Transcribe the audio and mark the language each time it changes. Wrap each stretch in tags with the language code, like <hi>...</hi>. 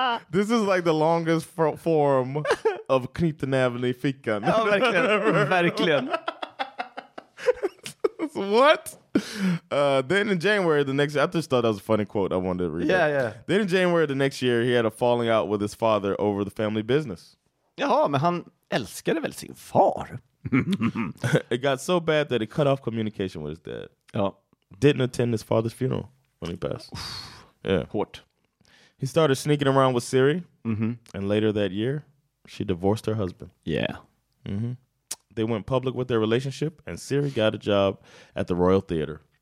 <en>This is like the longest form of Knip the Nävene I fickan.</en> <sv>Oh, verkligen. Verkligen.</sv> <en>What? Then in January the next year, I just thought that was a funny quote. I wanted to read. Yeah, yeah. Then in January the next year, he had a falling out with his father over the family business.</en> <sv>Jaha, men han älskade väl sin far?</sv> <en>It got so bad that he cut off communication with his dad.</en> <sv>Ja.</sv> <en>Didn't attend his father's funeral when he passed. Yeah.</en> <sv>Hårt.</sv> <en>He started sneaking around with Siri. Mm-hmm. And later that year, she divorced her husband. Yeah. Mm-hmm. They went public with their relationship, and Siri got a job at the Royal Theater.</en>